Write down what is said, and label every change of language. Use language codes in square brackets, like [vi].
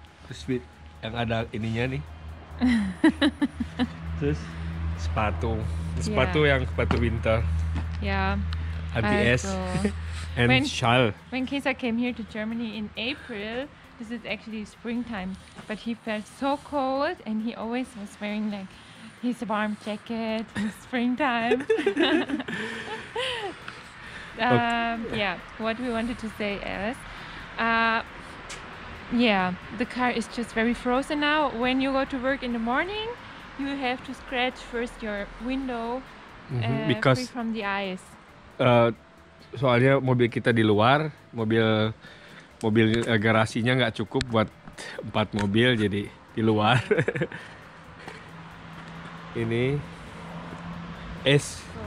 [id] Terus yang ada ininya nih. Terus sepatu yang sepatu winter. Yeah. Anti es. [en] And when, shawl. When Kesa came here to Germany in April, this is actually springtime, but he felt so cold and he always was wearing like his warm jacket in springtime. Okay. Yeah, what we wanted to say is, the car is just very frozen now. When you go to work in the morning, you have to scratch first your window Because free from the ice. [id] Soalnya mobil kita di luar, mobil garasinya nggak cukup buat 4 mobil, jadi di luar. Ini es.